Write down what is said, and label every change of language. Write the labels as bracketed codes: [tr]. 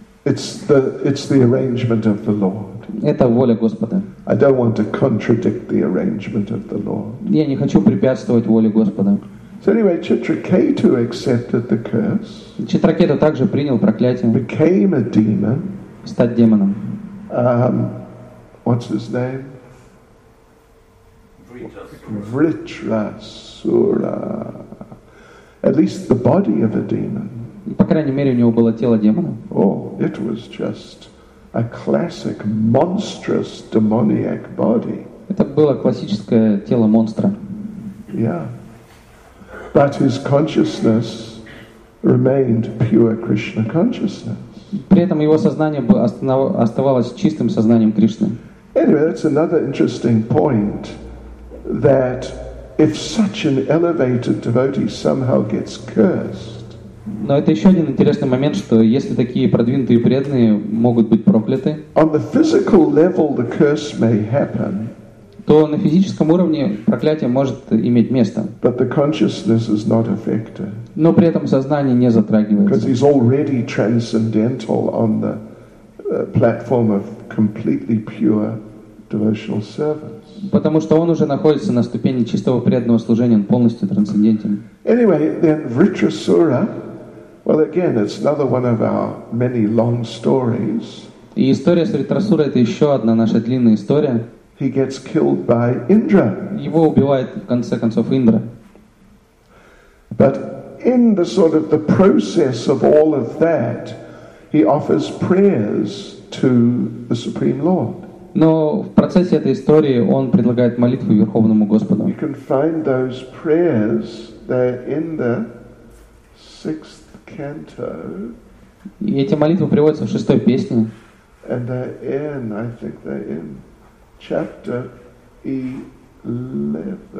[en] It's the arrangement of the Lord. [ru] Это воля Господа. [en] I don't want to contradict the arrangement of the Lord. [ru] Я не хочу препятствовать воле Господа. [en] So anyway, Chitraketu accepted the curse. [ru] Читракету также принял проклятие. [en] Became a demon. [ru] Стать демоном. [en] What's his name? Vritrasura. At least the body of a demon. [ru] По крайней мере, у него было тело демона. [en] Oh, it was just a classic monstrous demoniac body. [ru] Это было классическое тело монстра. [en] Yeah. But his consciousness remained pure Krishna consciousness. [ru] При этом его сознание оставалось чистым сознанием Кришны. [en] Anyway, that's another interesting point. That if such an elevated devotee somehow gets cursed. [ru] Но это еще один интересный момент, что если такие продвинутые преданные могут быть прокляты. [en] On the physical level, the curse may happen. [ru] То на физическом уровне проклятие может иметь место. [en] But the consciousness is not affected. [ru] Но при этом сознание не затрагивается. [en] Because he's already transcendental on the platform of completely pure devotional service. [ru] Потому что он уже находится на ступени чистого преданного служения, он полностью трансцендентен. [en] Anyway, then Vritrasura, well again, it's another one of our many long stories. [ru] И история с Ритрасурой — это еще одна наша длинная история. [en] He gets killed by Indra. [ru] Его убивает в конце концов Индра. [en] But in the sort of the process of all of that, he offers prayers to the Supreme Lord. [ru] Но в процессе этой истории он предлагает молитву Верховному Господу. [en] You can find those prayers there in the sixth canto. [ru] И эти молитвы приводятся в шестой песне. [en] And they're in, I think they're in chapter 11.